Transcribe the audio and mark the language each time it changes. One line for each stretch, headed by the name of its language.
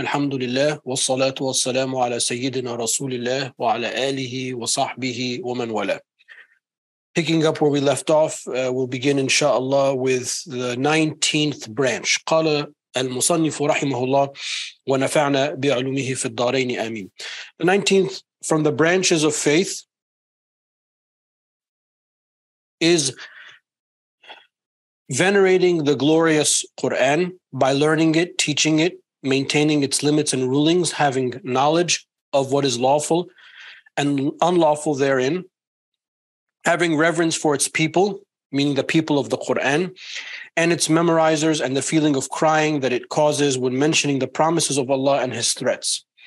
Arabic: الحمد لله والصلاة والسلام على سيدنا رسول الله وعلى آله وصحبه ومن والاه.
English: Picking up where we left off, we'll begin inshallah with the 19th branch.
Arabic: قال المصنف رحمه الله ونفعنا بعلومه في الدارين آمين.
English: The 19th from the branches of faith is venerating the glorious Quran by learning it, teaching it, maintaining its limits and rulings, having knowledge of what is lawful and unlawful therein, having reverence for its people, meaning the people of the Quran, and its memorizers, and the feeling of crying that it causes when mentioning the promises of Allah and his threats.